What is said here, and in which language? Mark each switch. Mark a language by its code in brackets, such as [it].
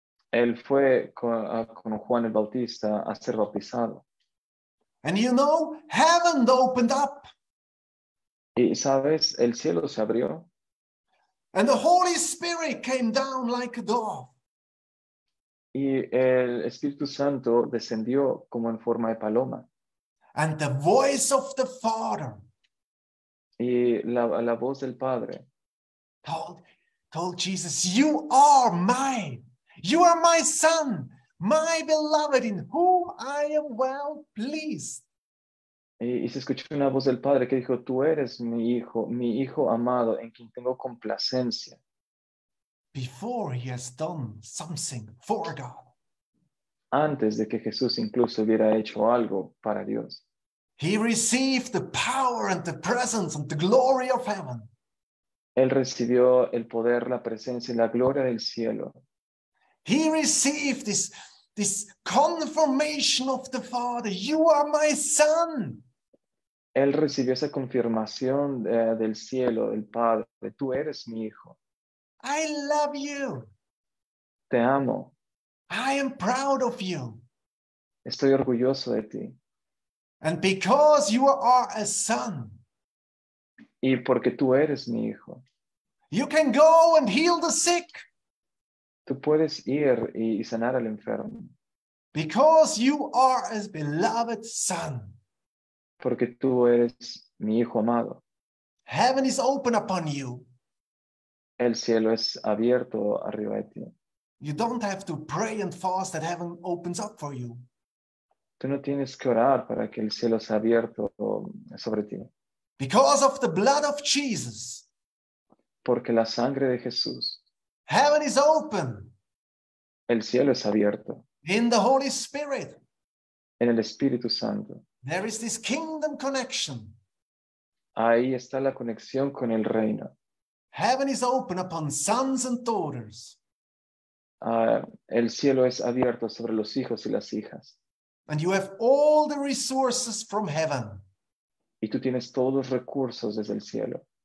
[es] Él fue con Juan el Bautista a ser bautizado. [en] And you know, heaven opened up. [es] Y sabes, el cielo se abrió. [en] And the Holy Spirit came down like a dove. [es] Y el Espíritu Santo descendió como en forma de paloma. [en] And the voice of the Father. [es] Y la voz del Padre. [en] Told Jesus, you are mine. You are my son, my beloved, in whom I am well pleased. [es] Y se escuchó una voz del Padre que dijo, tú eres mi hijo amado, en quien tengo complacencia. [en] Before he has done something for God. [es] Antes de que Jesús incluso hubiera hecho algo para Dios. [en] He received the power and the presence and the glory of heaven. [es] Él recibió el poder, la presencia y la gloria del cielo. [en] He received this confirmation of the Father. You are my son. [es] Él recibió esa confirmación del cielo, del Padre. Tú eres mi hijo. [en] I love you. [es] Te amo. [en] I am proud of you. [es] Estoy orgulloso de ti. [en] And because you are a son. [es] Y porque tú eres mi hijo. [en] You can go and heal the sick. [es] Tú puedes ir y sanar al enfermo. [en] Because you are a beloved son. [es] Porque tú eres mi hijo amado. [en] Heaven is open upon you. [es] El cielo es abierto arriba de ti. [en] You don't have to pray and fast that heaven opens up for you. [es] Tú no tienes que orar para que el cielo sea abierto sobre ti. [en] Because of the blood of Jesus. [es] Porque la sangre de Jesús. [en] Heaven is open. [es] El cielo es abierto. [en] In the Holy Spirit. [es] En el Espíritu Santo. [en] There is this kingdom connection. [es] Ahí está la conexión con el reino. [en] Heaven is open upon sons and daughters. [es] El cielo es abierto sobre los hijos y las hijas. [en] And you have all the resources from heaven. [es] Y tú tienes todos los recursos desde el cielo.